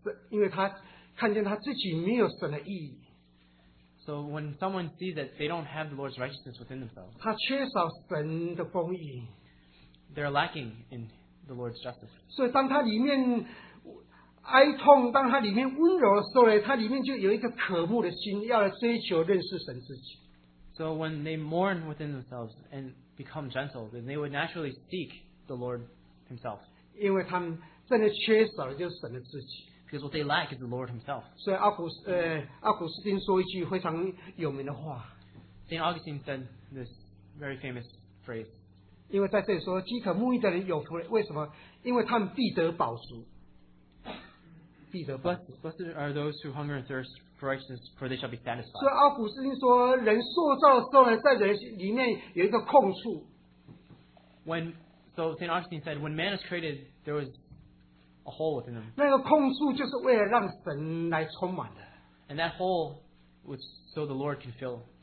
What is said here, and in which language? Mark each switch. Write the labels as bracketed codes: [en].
[zh] 因为他看见他自己没有神的义. [en] So when someone sees that they don't have the Lord's righteousness within themselves, [zh] 他缺少神的公义. [en] They're lacking in the Lord's justice. [zh] 所以当他里面 哀痛，当他里面温柔的时候呢，他里面就有一个渴慕的心，要来追求认识神自己。 [en] So when they mourn within themselves and become gentle, then they would naturally seek the Lord Himself. [zh] 因为他们真的缺少的就是神的自己。 [en] Because what they lack is the Lord Himself. [zh] 所以阿古斯丁说一句非常有名的话。 [en] St. Augustine said this very famous phrase. [zh] 因为在这里说饥渴慕义的人有福，为什么？因为他们必得饱足。 [en] Blessed are those who hunger and thirst for righteousness, for they shall be satisfied. [zh] 所以阿古斯丁说，人塑造之后呢，在人里面有一个空处。 [en] So St. Augustine said, when man is created, there was a hole within him. [zh] 那个空处就是为了让神来充满的。 [en] And that hole was so the Lord can fill.